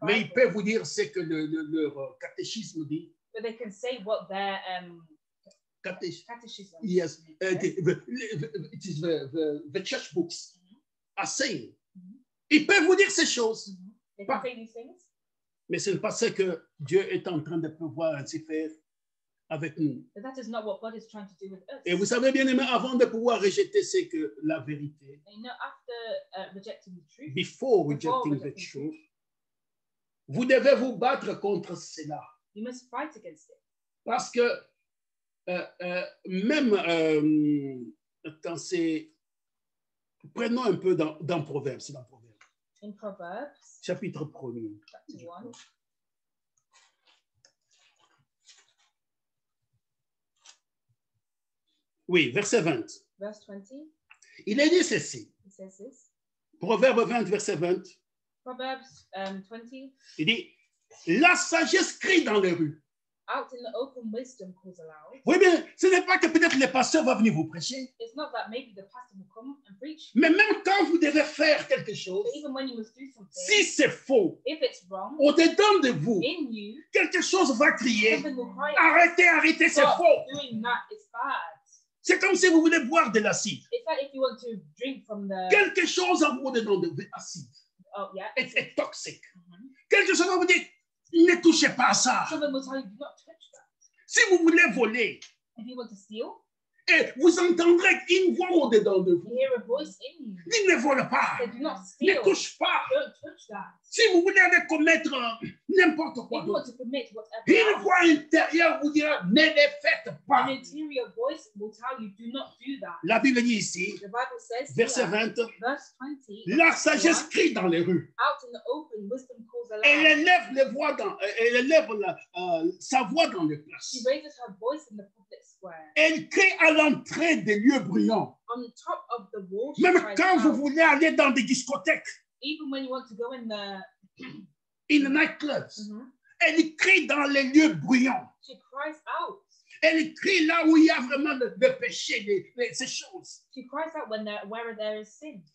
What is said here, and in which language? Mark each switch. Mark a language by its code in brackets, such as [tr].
[fr] Mais ils peuvent vous dire ce que leur catéchisme dit. [en] But they can say what their catechism. Yes, it is the church books are saying. [fr] Mm-hmm. Ils peuvent vous dire ces choses. [en] Mm-hmm. They can say these things. [fr] Mais ce n'est pas ce que Dieu est en train de pouvoir ainsi faire avec nous. [en] But that is not what God is trying to do with us. [fr] Et vous savez bien aimé, avant de pouvoir rejeter ce que la vérité. [en] And you know, after rejecting the truth. Before rejecting the truth, [fr] vous devez vous battre contre cela. [en] You must fight against it. [fr] Parce que quand c'est prenons un peu dans Proverbes, c'est dans Proverbes. [en] In Proverbs, [fr] chapitre 1. Oui, verset 20. [en] Verse 20. [fr] Il est dit ceci. Proverbes 20, verset 20. [en] Proverbs 20. [fr] Il dit la sagesse crie dans les rues. [en] out in the open wisdom calls aloud. [fr] Oui, mais ce n'est pas que peut-être le pasteur va venir vous prêcher. [en] It's not that maybe the pastor will come and preach. [fr] Mais même quand vous devez faire quelque chose, [en] even when you must do something, [fr] si c'est faux, [en] if it's wrong, [fr] au dedans de vous, [en] in you, [fr] quelque chose va crier, [en] something will cry, [fr] arrêtez, arrêtez, c'est faux. [en] Doing that is bad. [fr] C'est comme si vous voulez boire de l'acide. [en] It's like if you want to drink from the... [fr] Quelque chose en vous dedans de l'acide. [en] Oh, yeah. [fr] Est toxique. Mm-hmm. Quelque chose en vous dit, ne touchez pas à ça. [en] Someone will tell you, do not touch that. [fr] Si vous voulez voler, [en] if you want to steal, [fr] et vous entendrez une voix au dedans de vous. [en] Hear a voice in you. [fr] Dites, ne vole pas. [en] Do not steal. [fr] Ne touche pas. [en] Don't touch that. [fr] Si vous voulez aller commettre n'importe quoi, [en] if you want to commit whatever, [fr] une voix intérieure vous dira, ne le faites pas. [en] An interior voice will tell you, do not do that. [fr] La Bible dit ici, [en] the Bible says [fr] verset [en] here, [fr] 20, [en] verse 20, [fr] la sagesse crie dans les rues. [en] Out in the open, wisdom calls aloud. [fr] Elle élève, les voix dans, elle élève la, sa voix dans les places. [en] She raises her voice in the public square. [fr] Elle crie à l'entrée des lieux bruyants. [en] On the top of the wall, she [fr] même quand vous voulez aller dans des discothèques, [en] even when you want to go in the nightclubs, [fr] mm-hmm. elle crie dans les lieux bruyants. [en] She cries out. [fr] Elle crie là où il y a vraiment le péché, ces choses. [en] She cries out when where there is sin.